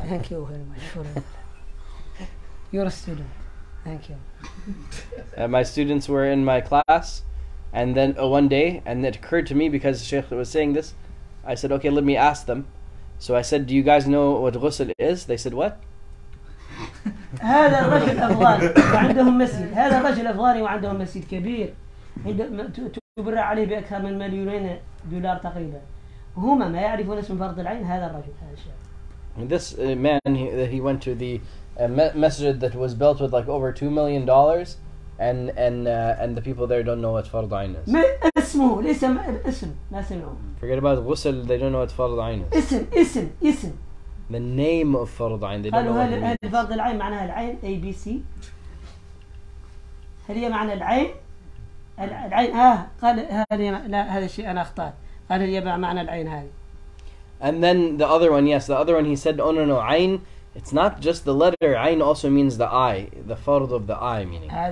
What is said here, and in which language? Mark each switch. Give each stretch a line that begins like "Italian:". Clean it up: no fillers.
English: thank you very much for you're a student thank you my students were in my class and then one day and it occurred to me because the sheikh was saying this I said okay let me ask them so I said do you guys know what ghusl is they said what
Arabic: هذا الرجل أفغاني وعندهم مسجد هذا الرجل أفغاني وعندهم مسجد كبير تبرع عليه بأكثر من مليونين دولار تقريبا هما ما يعرفون اسم فرض العين هذا الرجل هذا الشيخ
English: this man he went to the masjid that was built with like over $2 million and the people there don't know what fard ayn is
Arabic: اسمه ليس اسم ما سمعوا
English: forget about ghusl they don't know what fard ayn is
Arabic: اسم
English: the name of fard ayn they don't know
Arabic: هل هل فرض العين معناها العين A B C هل هي معنى العين العين قال هل هي لا هذا الشيء انا اخطات قال هل هي معنى العين هذه
English: and then the other one yes the other one he said oh no no عين It's not just the letter عين also means the eye, the fard of the eye meaning.